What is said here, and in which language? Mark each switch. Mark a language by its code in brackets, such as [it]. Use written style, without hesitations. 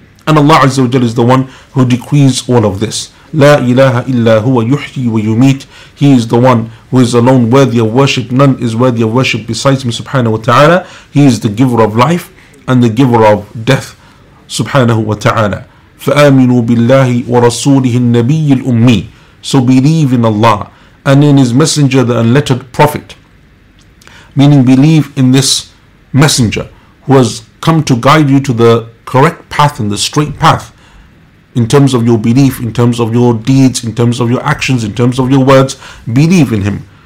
[en] And Allah Azza wa Jalla is the one who decrees all of this. [ar] لا إله إلا هو يحيي ويميت. [en] He is the one who is alone worthy of worship. None is worthy of worship besides him, subhanahu wa ta'ala. He is the giver of life and the giver of death, subhanahu wa ta'ala. [ar] فآمنوا بالله ورسوله النبي الأمي. [en] So believe in Allah and in his messenger, the unlettered prophet. Meaning believe in this messenger who has come to guide you to the correct path and the straight path. In terms of your belief, in terms of your deeds, in terms of your actions, in terms of your words, believe in him.